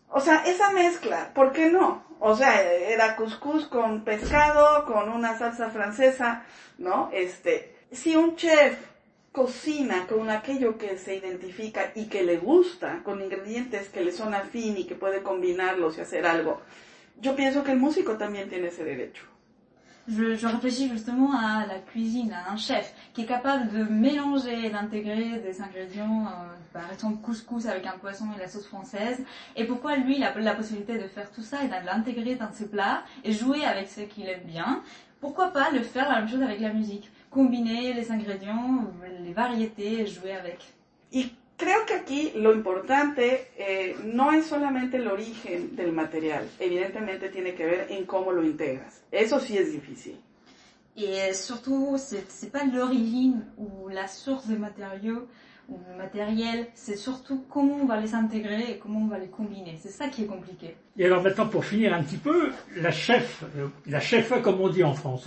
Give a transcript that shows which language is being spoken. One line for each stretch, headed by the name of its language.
Spanish: O sea, esa mezcla, ¿por qué no? O sea, era couscous con pescado, con una salsa francesa, ¿no? Si un chef cocina con aquello que se identifica y que le gusta, con ingredientes que le son afín y que puede combinarlos y hacer algo, yo pienso que el músico también tiene ese derecho.
French: Je réfléchis justement à la cuisine, à un chef qui est capable de mélanger, d'intégrer des ingrédients, par exemple couscous avec un poisson et la sauce française. Et pourquoi lui, il a la possibilité de faire tout ça et de l'intégrer dans ses plats et jouer avec ce qu'il aime bien? Pourquoi pas le faire la même chose avec la musique? Combiner les ingrédients, les variétés et jouer avec.
Spanish: Et creo que aquí lo importante no es solamente el origen del material, evidentemente tiene que ver en cómo lo integras. Eso sí es difícil.
French: Y surtout, c'est pas l'origine ou la source de matériaux ou le matériel, c'est surtout comment on va les intégrer et comment on va les combiner. C'est ça qui est compliqué. Et alors maintenant, pour finir un petit peu, la chef, comme on dit en France.